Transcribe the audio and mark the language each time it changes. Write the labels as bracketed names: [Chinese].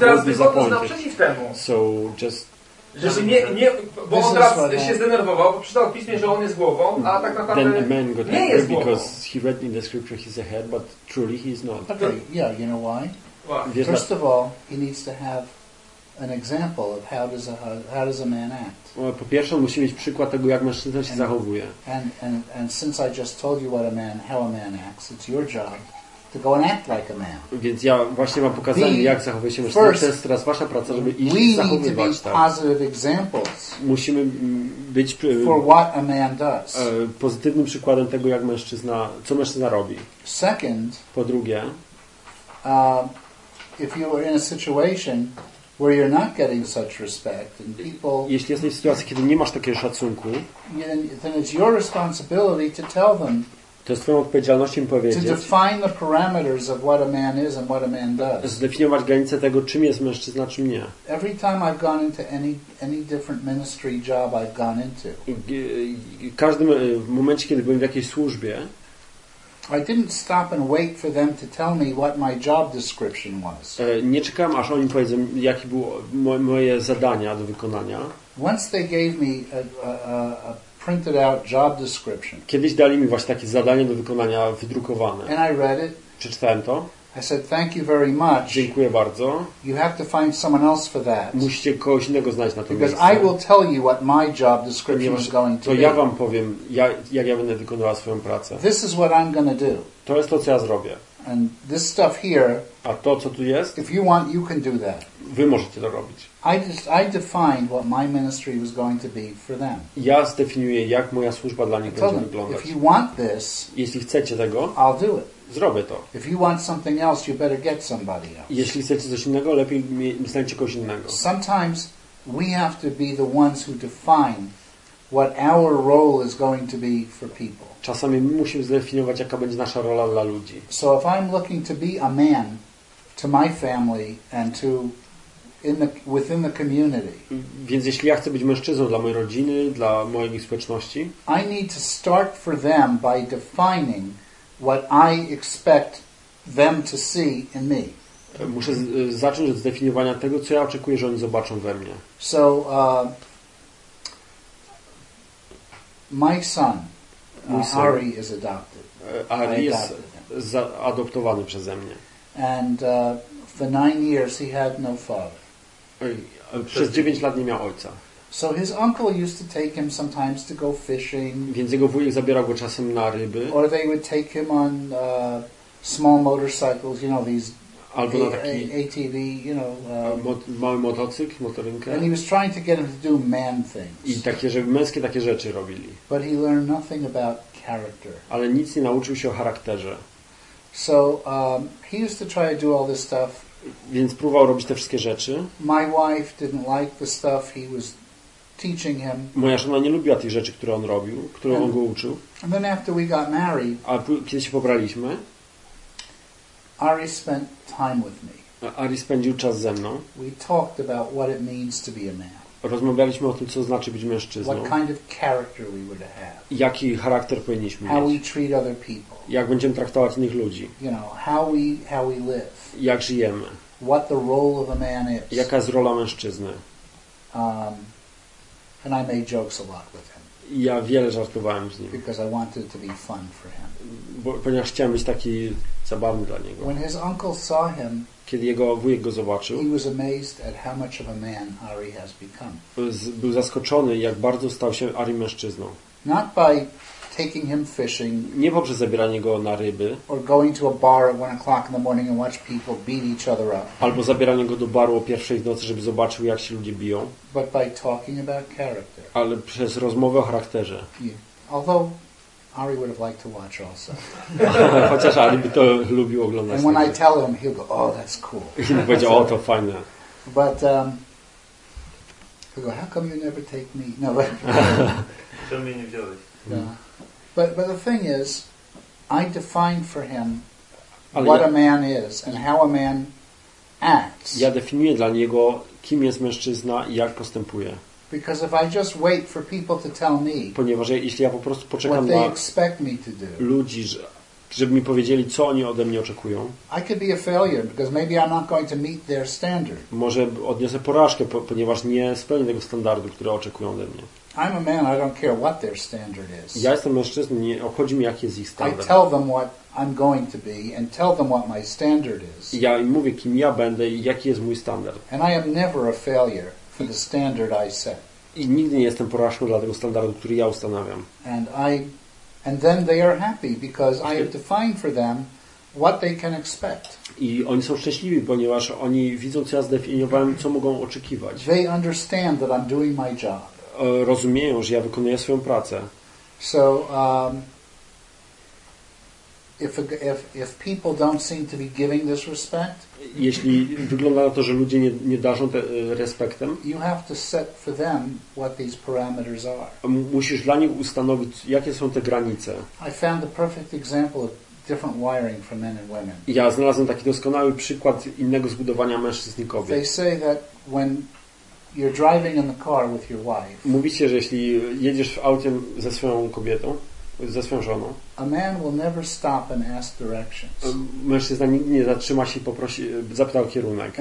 [Polish] Teraz wychodzą naprzeciw temu. [English] So just, [Polish] żeby nie, bo on teraz się zdenerwował, bo przeczytał w piśmie, że on jest głową, a tak naprawdę [English] then a man got [Polish] nie [English] angry [Polish] jest głową. [English] Because he read in the scripture he's a head, but truly he's not. Okay, yeah, you know why? Why? First of all, he needs to have an example of how does a man act. [Polish] Po pierwsze, musi mieć przykład tego, jak mężczyzna się zachowuje. [English] And since I just told you what a man, how a man acts, it's your job to go and act like a man. [Polish] Więc ja właśnie wam pokazałem, jak zachowuje się mężczyzna. To jest teraz wasza praca, żeby iść i zachowywać tak. [English] Positive examples. [Polish] Musimy być [English] for what a man does. [Polish] Pozytywnym przykładem tego, jak mężczyzna, co mężczyzna robi. [English] Second. [Polish] Po drugie. [English] If you were in a situation where you're not getting such respect and people, [Polish] jeśli jesteś w sytuacji, kiedy nie masz takiego szacunku, [English] then it's your responsibility to tell them, [Polish] to jest twoją odpowiedzialnością powiedzieć, [English] to define the parameters of what a man is and what a man does. [Polish] Zdefiniować granice tego, czym jest mężczyzna, czym nie. [English] Every time I've gone into any different ministry job I've gone into, [Polish] każdym momencie, kiedy byłem w jakiejś służbie, [English] I didn't stop and wait for them to tell me what my job description was. [Polish] Nie czekałem, aż oni powiedzą, jakie było moje zadania do wykonania. [English] Once they gave me a printed out job description. [Polish] Kiedyś dali mi właśnie takie zadanie do wykonania wydrukowane. [English] And I read it. [Polish] Przeczytałem to. [English] I said thank you very much. [Polish] Dziękuję bardzo. [English] You have to find someone else for that. [Polish] Musicie kogoś innego znaleźć na to miejsce. [English] Because I will tell you what my job description is going to be. [Polish] To ja wam powiem, jak ja będę wykonywała swoją pracę. [English] This is what I'm going to do. [Polish] To jest to, co ja zrobię. [English] And this stuff here. [Polish] A to, co tu jest? [English] If you want, you can do that. [Polish] Wy możecie to robić. [English] I defined what my ministry was going to be for them. [Polish] Ja zdefiniuję, jak moja służba dla nich będzie wyglądać. [English] If you want this, [Polish] jeśli chcecie tego, [English] I'll do it. [Polish] Zrobię to. [English] If you want something else, you better get somebody else. [Polish] Jeśli chcecie coś innego, lepiej znajdźcie kogoś innego. [English] Sometimes we have to be the ones who define what our role is going to be for people. [Polish] Czasami my musimy zdefiniować, jaka będzie nasza rola dla ludzi. [English] So if I'm looking to be a man to my family and to within the community. [Polish] Więc jeśli ja chcę być mężczyzną dla mojej rodziny, dla mojej społeczności, [English] I need to start for them by defining what I expect them to see in me. [Polish] Muszę zacząć od zdefiniowania tego, co ja oczekuję, że oni zobaczą we mnie. [English] So, my son, Ari, is adopted. [Polish] Ari jest adoptowany przeze mnie. [English] And for 9 years he had no father. [Polish] Przez 9 lat nie miał ojca. [English] So his uncle used to take him sometimes to go fishing. [Polish] Więc jego wujek zabierał go czasem na ryby. [English] Or they would take him on small motorcycles, you know, these ATV, you know. [Polish] Mały motocykl, motorynkę. [English] And he was trying to get him to do man things. [Polish] I takie, żeby męskie takie rzeczy robili. [English] But he learned nothing about character. [Polish] Ale nic nie nauczył się o charakterze. [English] So he used to try to do all this stuff. [Polish] Więc próbował robić te wszystkie rzeczy. [English] My wife didn't like the stuff he was teaching him. [Polish] Moja żona nie lubiła tych rzeczy, które on robił, które on go uczył. [English] And then after we got married, [Polish] a kiedy się pobraliśmy, [English] Ari spent time with me. [Polish] Ari spędził czas ze mną. [English] We talked about what it means to be a man. [Polish] Rozmawialiśmy o tym, co znaczy być mężczyzną. [English] What kind of character we would have. [Polish] Jaki charakter powinniśmy [English] how [Polish] mieć. [English] We treat other people. [Polish] Jak będziemy traktować innych ludzi. [English] You know, how we live. [Polish] Jak żyjemy. [English] What the role of a man is. [Polish] Jaka jest rola mężczyzny. [English] And I made jokes a lot with him. [Polish] Ja wiele żartowałem z nim. [English] Because I wanted to be fun for him. [Polish] Bo, ponieważ chciałem być taki zabawny dla niego. [English] When his uncle saw him, [Polish] kiedy jego wujek go zobaczył, [English] he was amazed at how much of a man Ari has become. [Polish] Był zaskoczony, jak bardzo stał się Ari mężczyzną. [English] Not by taking him fishing, [Polish] nie poprzez zabieranie go na ryby, [English] or going to a bar at 1 o'clock in the morning and watch people beat each other up, [Polish] albo zabieranie go do baru o pierwszej w nocy, żeby zobaczył, jak się ludzie biją, [English] but by talking about character, [Polish] ale przez rozmowę o charakterze. [English] Yeah. Although Ari would have liked to watch also. [Polish] Chociaż Ari by to lubił oglądać. [English] And when I tell him, he'll go, "Oh, that's cool." [Polish] I powiedział, "O, to fajne." [English] But he'll go, "How come you never take me?" [Polish] No, czemu mnie nie wziąłeś? [English] Yeah. But the thing is, I defined for him what a man is and how a man acts. [Polish] Ja definiuję dla niego, kim jest mężczyzna i jak postępuje. [English] Because if I just wait for people to tell me, [Polish] ponieważ jeśli ja po prostu poczekam [English] what they expect me to do, [Polish] ludzi, żeby mi powiedzieli, co oni ode mnie oczekują, [English] I could be a failure because maybe I'm not going to meet their standard. [Polish] Może odniosę porażkę, ponieważ nie spełnię tego standardu, który oczekują ode mnie. [English] I'm a man, I don't care what their standard is. [Polish] Ja jestem mężczyzną, nie obchodzi mi, jaki jest ich standard. [English] I tell them what I'm going to be and tell them what my standard is. [Polish] Ja im mówię, kim ja będę i jaki jest mój standard. [English] And I am never a failure for the standard I set. [Polish] I nigdy nie jestem porażką dla tego standardu, który ja ustanawiam. [English] And then they are happy because I have defined for them what they can expect. [Polish] I oni są szczęśliwi, ponieważ oni widzą, co ja zdefiniowałem, co mogą oczekiwać. [English] They understand that I'm doing my job. [Polish] Rozumieją, że ja wykonuję swoją pracę. [English] So if people don't seem to be giving this respect, [Polish] jeśli wygląda na to, że ludzie nie darzą respektem, [English] you have to set for them what these parameters are. [Polish] Musisz dla nich ustanowić, jakie są te granice. [English] I found the perfect example of different wiring for men and women. [Polish] Ja znalazłem taki doskonały przykład innego zbudowania mężczyzn i kobiet. [English] They say that when you're driving in the car with your wife. [Polish] Mówicie, że jeśli jedziesz w autem ze swoją kobietą, ze swoją żoną, [English] a man will never stop and ask directions. [Polish] Mężczyzna nigdy nie zatrzyma się i poprosi, zapytał kierunek.